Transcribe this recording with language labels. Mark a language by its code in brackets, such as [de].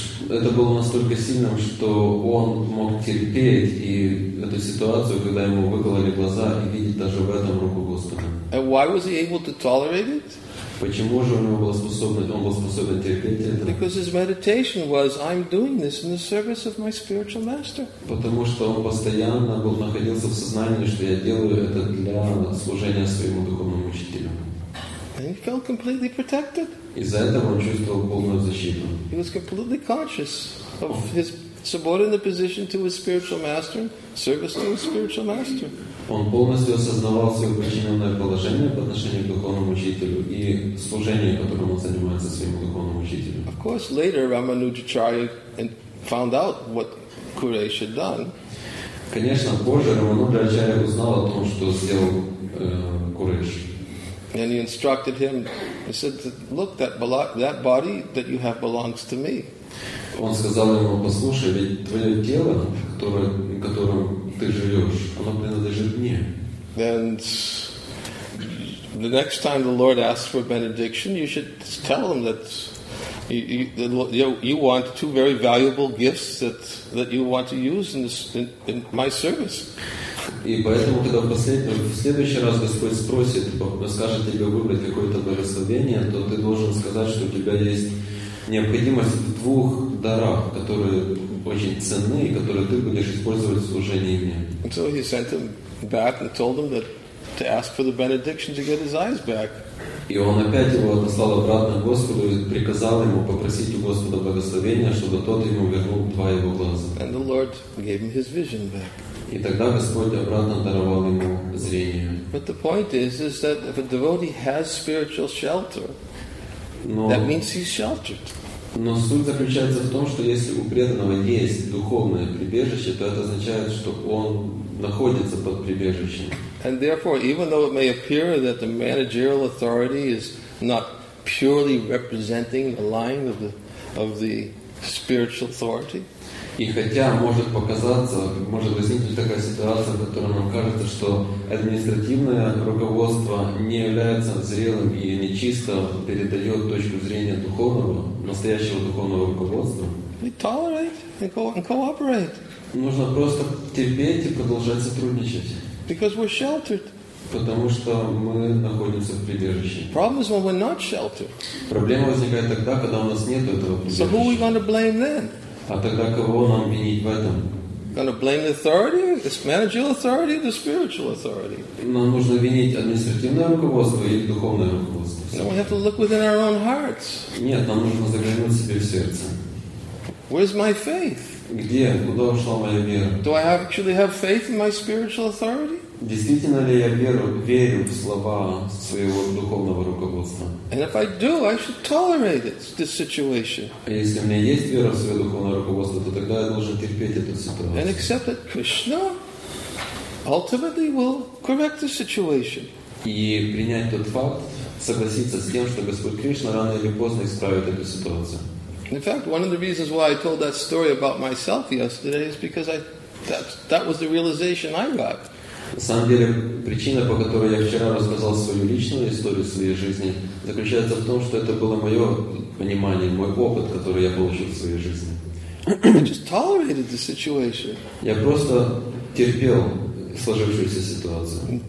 [ru] Это было настолько сильным, что он мог терпеть и эту ситуацию, когда ему выкололи глаза, и видеть даже в этом руку Господа. [en] And why was he able to tolerate it? [ru] Почему же он был способен? Он был способен терпеть это? [en] Because his meditation was, I'm doing this in the service of my spiritual master. [ru] Потому что он постоянно был находился в сознании, что я делаю это для служения своему духовному учителю. [en] And he felt completely protected. [ru] Из-за этого он чувствовал полную защиту. [en] He was completely conscious of his subordinate position to his spiritual master, service to his spiritual master. [ru] Он полностью осознавал свое подчиненное положение по отношению к духовному учителю и служение, которым он занимается своему духовному учителю. [en] Of course, later Рамануджачарья found out what Куреша had done. [ru] Конечно, позже Рамануджачарья узнал о том, что сделал Куреша. [en] And he instructed him. He said, "Look, that body that you have belongs to me." [ru] Он сказал ему, послушай, ведь твое тело, которым ты живешь, оно принадлежит мне. [en] And the next time the Lord asks for benediction, you should tell him that you want two very valuable gifts that you want to use in my service. [ru] И поэтому когда в следующий раз Господь спросит, расскажет тебе выбрать какое-то благословение, то ты должен сказать, что у тебя есть необходимость в двух дарах, которые очень ценны и которые ты будешь использовать в служении мне. [en] So he sent him back and told him that to ask for the benediction to get his eyes back. [ru] И он опять его отослал обратно к Господу и приказал ему попросить у Господа благословения, чтобы тот ему вернул два его глаза. [en] And the Lord gave him his vision back. [ru] И тогда Господь обратно даровал ему зрение. [en] But the point is that if a devotee has spiritual shelter, that means he's sheltered. [ru] Но суть заключается в том, что если у преданного есть духовное прибежище, то это означает, что он находится под прибежищем. [en] And therefore, even though it may appear that the managerial authority is not purely representing the line of the spiritual authority. [ru] И хотя может показаться, может возникнуть такая ситуация, в которой нам кажется, что административное руководство не является зрелым и нечисто передает точку зрения духовного, настоящего духовного руководства. [en] We tolerate and cooperate. [ru] Нужно просто терпеть и продолжать сотрудничать. [en] Because we're sheltered. [ru] Потому что мы находимся в прибежище. [en] Problem is when we're not sheltered. [ru] Проблема возникает тогда, когда у нас нет этого прибежища. [en] So who are we going to blame then? [ru] А тогда кого нам винить в этом? [en] Gonna blame the authority, the managerial authority, the spiritual authority. [ru] Нам нужно винить административное руководство или духовное руководство. [en] No, we have to look within our own hearts. [ru] Нет, нам нужно заглянуть себе в сердце. [en] Where's my faith? [ru] Где? Куда ушла моя вера? [en] Do I actually have faith in my spiritual authority? [ru] Действительно ли я верю в слова своего духовного руководства? [en] And if I do, I should tolerate this situation. [ru] А если у меня есть вера в свое духовное руководство, то тогда я должен терпеть эту ситуацию. [en] And accept that Krishna ultimately will correct the situation. [ru] И принять тот факт, согласиться с тем, что Господь Кришна рано или поздно исправит эту ситуацию. [en] In fact, one of the reasons why I told that story about myself yesterday is because that was the realization I got. [ru] На самом деле, причина, по которой я вчера рассказал свою личную историю своей жизни, заключается в том, что это было мое понимание, мой опыт, который я получил в своей жизни. [en] I just tolerated the situation. [ru] Я просто терпел сложившуюся ситуацию.